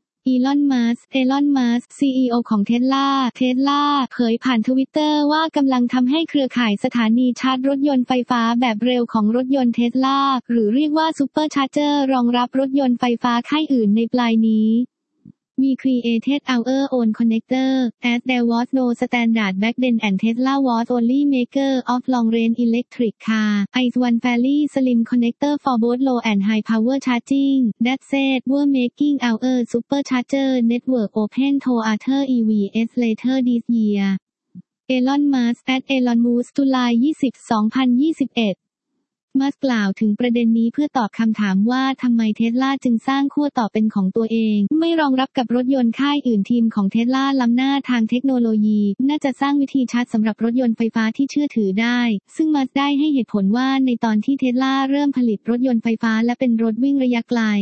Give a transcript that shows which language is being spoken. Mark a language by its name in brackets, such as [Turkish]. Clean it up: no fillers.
[Thai] Elon Musk CEO ของ Tesla เผยผ่าน Twitter ว่ากำลังทำให้เครือข่ายสถานีชาร์จรถยนต์ไฟฟ้าแบบเร็วของรถยนต์ Tesla หรือเรียกว่า Super Charger รองรับรถยนต์ไฟฟ้าค่ายอื่นในปลายนี้ [English] We created our own connector, as there was no standard back then and Tesla was only maker of long-range electric car. Is one fairly slim connector for both low and high power charging. That said, we're making our supercharger network open to other EVs later this year. [Thai] Elon Musk at Elon Musk July 20, 2021มัสกล่าวถึงประเด็นนี้เพื่อตอบคำถามว่าทำไมเทสลาจึงสร้างขั้วต่อเป็นของตัวเองไม่รองรับกับรถยนต์ค่ายอื่นทีมของเทสลาล้ำหน้าทางเทคโนโลยีน่าจะสร้างวิธีชาร์จสำหรับรถยนต์ไฟฟ้าที่เชื่อถือได้ซึ่งมัสได้ให้เหตุผลว่าในตอนที่เทสลาเริ่มผลิตรถยนต์ไฟฟ้าและเป็นรถวิ่งระยะไกล